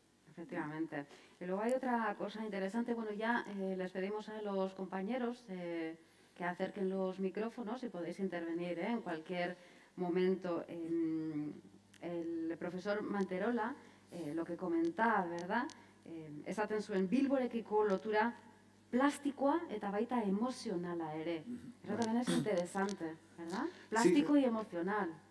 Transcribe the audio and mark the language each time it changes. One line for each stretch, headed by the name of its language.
Spanish: Efectivamente. Y luego hay otra cosa interesante, bueno, ya les pedimos a los compañeros que acerquen los micrófonos y podéis intervenir en cualquier momento. El profesor Manterola, lo que comentaba, ¿verdad?
Basque: Esaten zuen bilborekiko lotura plastikoa eta baita emozionala ere.
Spanish: Eso también es interesante, ¿verdad? Plástico sí. Y emocional.